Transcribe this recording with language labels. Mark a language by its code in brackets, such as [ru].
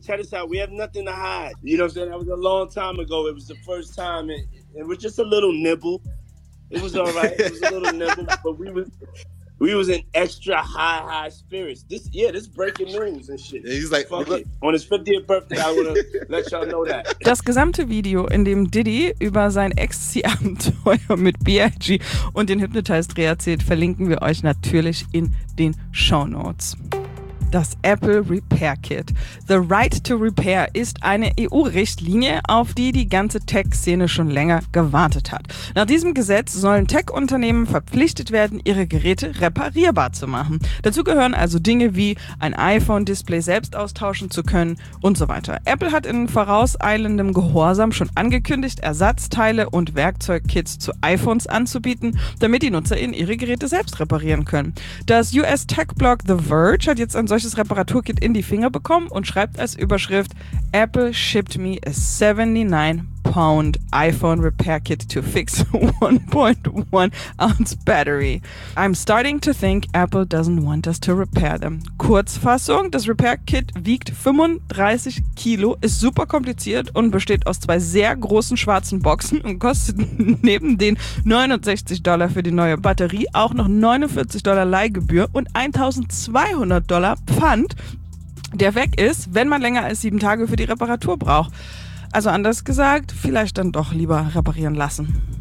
[en] Check this out. We have nothing to hide. You know what I'm saying? That was a long time ago. It was the first time. It was just a little nibble. It was all right. It was a little nibble, but we was in extra high spirits. This breaking news and shit. Yeah, he's like, fuck it. On his 50th birthday, I want to let y'all know that. [de] Das gesamte Video, in dem Diddy über sein Ecstasy-Abenteuer mit B.I.G. und den Hypnotize-Dreh erzählt, verlinken wir euch natürlich in den Shownotes. Das Apple Repair Kit. The Right to Repair ist eine EU-Richtlinie, auf die die ganze Tech-Szene schon länger gewartet hat. Nach diesem Gesetz sollen Tech-Unternehmen verpflichtet werden, ihre Geräte reparierbar zu machen. Dazu gehören also Dinge wie ein iPhone-Display selbst austauschen zu können und so weiter. Apple hat in vorauseilendem Gehorsam schon angekündigt, Ersatzteile und Werkzeugkits zu iPhones anzubieten, damit die NutzerInnen ihre Geräte selbst reparieren können. Das US-Tech-Blog The Verge hat jetzt ein solches Reparaturkit in die Finger bekommen und schreibt als Überschrift: [en] Apple shipped me a 79-pound iPhone repair kit to fix 1.1-ounce battery. I'm starting to think Apple doesn't want us to repair them. [de] Kurzfassung: Das Repair Kit wiegt 35 Kilo, ist super kompliziert und besteht aus 2 sehr großen schwarzen Boxen und kostet neben den $69 für die neue Batterie auch noch $49 Leihgebühr und $1,200 Pfand, der weg ist, wenn man länger als 7 Tage für die Reparatur braucht. Also anders gesagt, vielleicht dann doch lieber reparieren lassen.